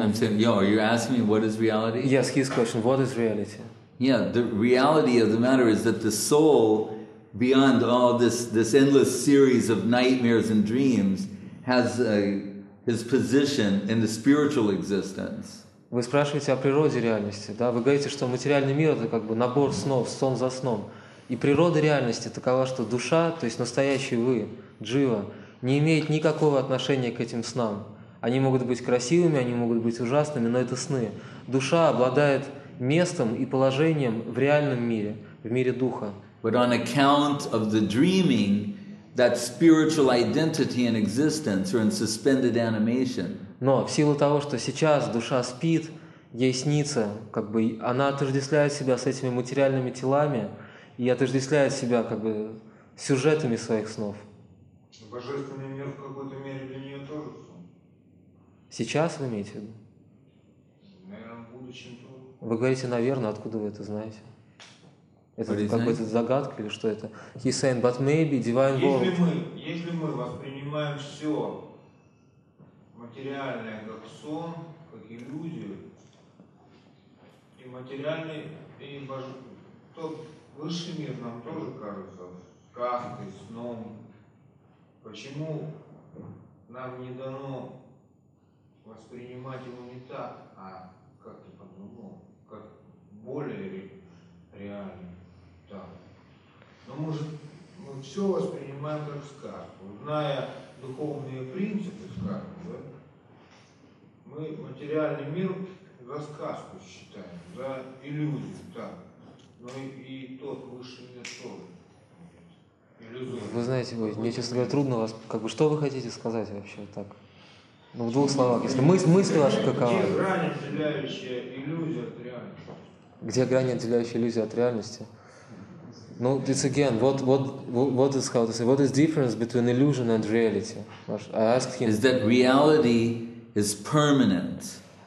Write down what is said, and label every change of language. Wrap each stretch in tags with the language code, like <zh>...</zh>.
<en>I'm saying, are you asking me what is reality? Yes, his question. What is reality? Yeah, the reality of the matter is that the soul, beyond all this endless series of nightmares and dreams, has a his position in the spiritual existence.</en> <ru>Вы спрашиваете о природе реальности, да? Вы говорите, что материальный мир — это как бы набор снов, сон за сном. И природа реальности такова, что душа, то есть настоящий вы, джива, не имеет никакого отношения к этим снам. Они могут быть красивыми, они могут быть ужасными, но это сны. Душа обладает местом и положением в реальном мире, в мире духа.</ru> <en>But on account of the dreaming, that spiritual identity and existence are in suspended animation.</en> <ru>Но в силу того, что сейчас душа спит, ей снится, как бы она отождествляет себя с этими материальными телами и отождествляет себя как бы сюжетами своих снов. Божественный мир в какой-то мере для нее тоже сон. Сейчас вы имеете в виду? Наверное, в будущем тоже. Вы говорите, наверное, откуда вы это знаете? Это какая-то загадка или что это?</ru> <en>He's saying, but maybe divine world.</en> <ru>Если мы воспринимаем все материальное как сон, как иллюзию, и материальный, и то высший мир нам тоже кажется сказкой, сном. Почему нам не дано воспринимать его не так, а как-то по-другому, как более реальный? Да. Но мы все воспринимаем как сказку. Зная духовные принципы сказки, да, мы материальный мир за сказку считаем, за иллюзию, да. Но и тот высший мир тоже иллюзорный. Вы знаете, мне, честно говоря, трудно вас. Как бы что вы хотите сказать вообще так? Ну, в двух словах. Если мысли ваши каковы. Где грань, отделяющая иллюзию от реальности? Где грань, отделяющая иллюзию от реальности?</ru> <en>No, it's again, what is the difference between illusion and reality? I asked him. Is that reality is permanent,</en>